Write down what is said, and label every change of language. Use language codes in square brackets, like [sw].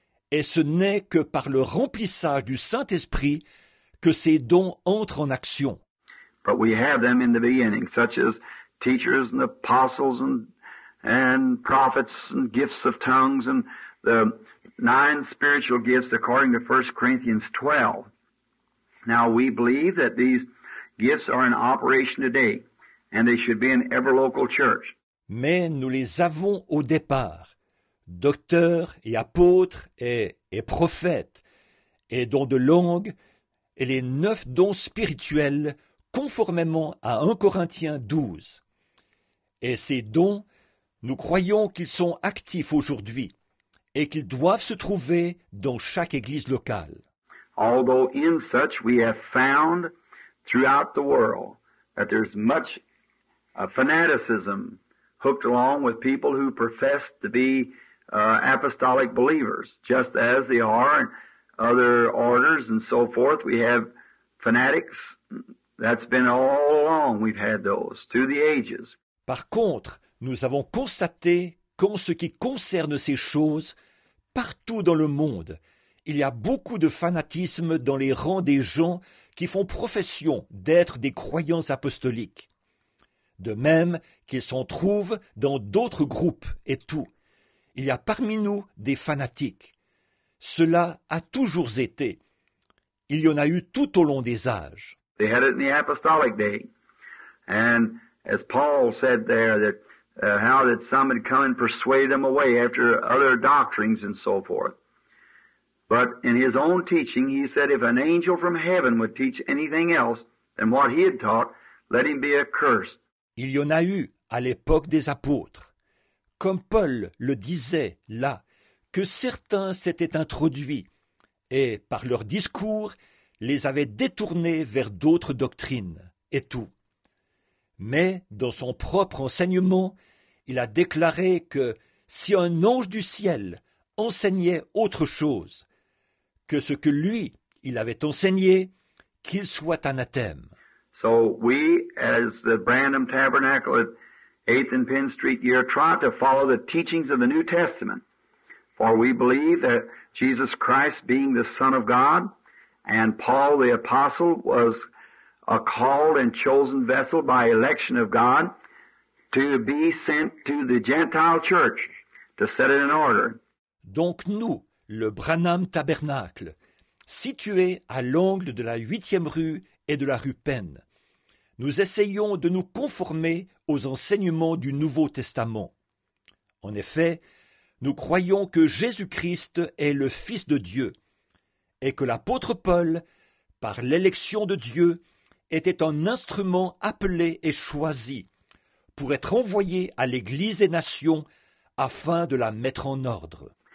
[fr] Et ce n'est que par le remplissage du Saint-Esprit que ces dons entrent en action. [en] But we have them in the beginning, such as teachers and apostles and prophets and gifts of tongues and the nine spiritual gifts according to 1 Corinthians 12. Now we believe that these gifts are in operation today and they should be in every local church. [fr] Mais nous les avons au départ, docteurs et apôtres et prophètes, et dons de langue, et les neuf dons spirituels, conformément à 1 Corinthiens 12. Et ces dons, nous croyons qu'ils sont actifs aujourd'hui, et qu'ils doivent se trouver dans chaque église locale. [en] Although in such we have found throughout the world that there's much fanaticism hooked along with people who profess to be apostolic believers, just as they are in other orders and so forth. We have fanatics. That's been all along we've had those, through the ages. [fr] Par contre, nous avons constaté qu'en ce qui concerne ces choses, partout dans le monde, il y a beaucoup de fanatisme dans les rangs des gens qui font profession d'être des croyants apostoliques. De même qu'ils s'en trouvent dans d'autres groupes et tout. Il y a parmi nous des fanatiques. Cela a toujours été. Il y en a eu tout au long des âges. [en] They had it in the apostolic day. And as Paul said there, that how that some had come and persuaded them away after other doctrines and so forth. But in his own teaching, he said if an angel from heaven would teach anything else than what he had taught, let him be accursed. [fr] Il y en a eu à l'époque des apôtres, comme Paul le disait là, que certains s'étaient introduits et, par leur discours, les avaient détournés vers d'autres doctrines et tout. Mais, dans son propre enseignement, il a déclaré que si un ange du ciel enseignait autre chose que ce que lui, il avait enseigné, qu'il soit anathème. [en] So we, as the Branham Tabernacle at 8th and Penn Street here, try to follow the teachings of the New Testament. For we believe that Jesus Christ being the Son of God, and Paul the Apostle was a called and chosen vessel by election of God to be sent to the Gentile church to set it in order. [fr] Donc nous, le Branham Tabernacle, situé à l'angle de la 8e rue et de la rue Penn, nous essayons de nous conformer aux enseignements du Nouveau Testament. En effet, nous croyons que Jésus-Christ est le Fils de Dieu et que l'apôtre Paul, par l'élection de Dieu, était un instrument appelé et choisi pour être envoyé à l'Église des nations afin de la mettre en ordre.